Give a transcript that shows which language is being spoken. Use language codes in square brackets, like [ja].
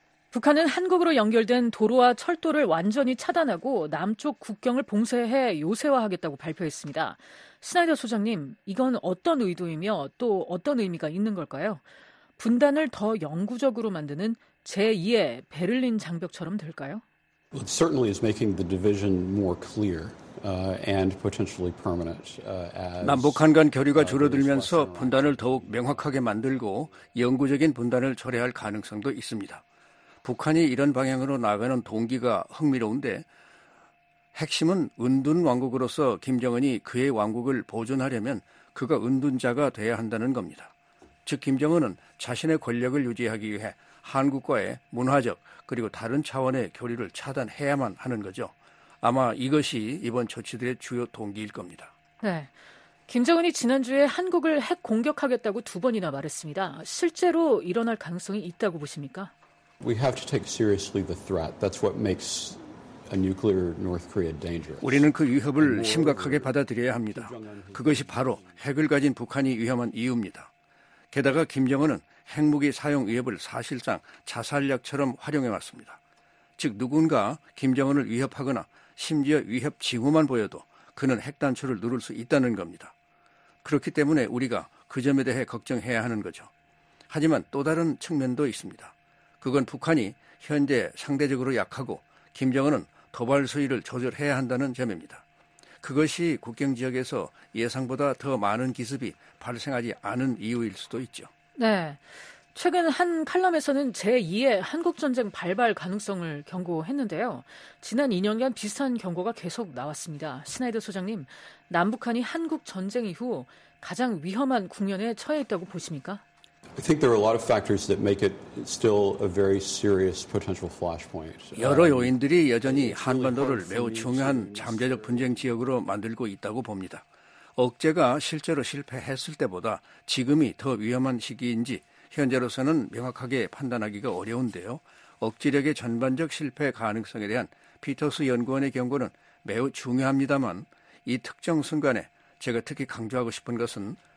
[ko] 북한은 한국으로 연결된 도로와 철도를 완전히 차단하고 남쪽 국경을 봉쇄해 요새화하겠다고 발표했습니다. 스나이더 소장님, 이건 어떤 의도이며 또 어떤 의미가 있는 걸까요? 분단을 더 영구적으로 만드는 제2의 베를린 장벽처럼 될까요? [en] It certainly is making the division more clear. And potentially permanent. [ko] 남북한 간 교류가 줄어들면서 분단을 더욱 명확하게 만들고 영구적인 분단을 초래할 가능성도 있습니다. 북한이 이런 방향으로 나가는 동기가 흥미로운데 핵심은 은둔 왕국으로서 김정은이 그의 왕국을 보존하려면 그가 은둔자가 돼야 한다는 겁니다. 즉 김정은은 자신의 권력을 유지하기 위해 한국과의 문화적 그리고 다른 차원의 교류를 차단해야만 하는 거죠. 아마 이것이 이번 조치들의 주요 동기일 겁니다. 네, 김정은이 지난주에 한국을 핵 공격하겠다고 두 번이나 말했습니다. 실제로 일어날 가능성이 있다고 보십니까? [en] We have to take seriously the threat. That's what makes a nuclear North Korea dangerous. [ko] 우리는 그 위협을 심각하게 받아들여야 합니다. 그것이 바로 핵을 가진 북한이 위험한 이유입니다. 게다가 김정은은 핵무기 사용 위협을 사실상 자살약처럼 활용해 왔습니다. 즉 누군가 김정은을 위협하거나 심지어 위협 징후만 보여도 그는 핵단추를 누를 수 있다는 겁니다. 그렇기 때문에 우리가 그 점에 대해 걱정해야 하는 거죠. 하지만 또 다른 측면도 있습니다. 그건 북한이 현재 상대적으로 약하고 김정은은 도발 수위를 조절해야 한다는 점입니다. 그것이 국경 지역에서 예상보다 더 많은 기습이 발생하지 않은 이유일 수도 있죠. 네. 최근 한 칼럼에서는 제2의 한국전쟁 발발 가능성을 경고했는데요. 지난 2년간 비슷한 경고가 계속 나왔습니다. 스나이더 소장님, 남북한이 한국전쟁 이후 가장 위험한 국면에 처해 있다고 보십니까? [en] I think there are a lot of factors that make it still a very serious potential flashpoint. [ko] 여러 요인들이 여전히 한반도를 매우 중요한 잠재적 분쟁 지역으로 만들고 있다고 봅니다. 억제가 실제로 실패했을 때보다 지금이 더 위험한 시기인지 현재로서는 명확하게 판단하기가 어려운데요. 억지력의 전반적 실패 가능성에 대한 피터스 연구원의 경고는 매우 중요합니다만 이 특정 순간에 제가 특히 강조하고 싶은 것은